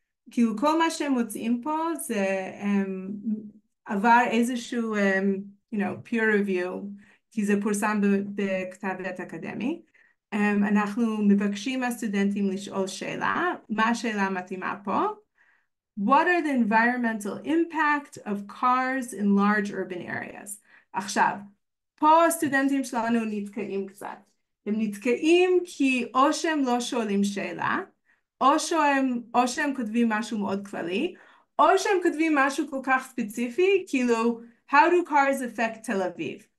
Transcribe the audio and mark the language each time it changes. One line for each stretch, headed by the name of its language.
Hebrew: כאילו כל מה שהם מוצאים פה זה עבר איזשהו, you know, peer review, כי זה פורסם בכתב עת אקדמי. אנחנו מבקשים מהסטודנטים לשאול שאלה, מה השאלה המתאימה פה?
English: What are the environmental impact of cars in large urban areas?
Hebrew: עכשיו, פה הסטודנטים שלנו נתקעים קצת. הם נתקעים כי או שהם לא שואלים שאלה, או שהם כותבים משהו מאוד כללי, או שהם כותבים משהו כל כך ספציפי, כאילו,
English: how do cars affect Tel Aviv?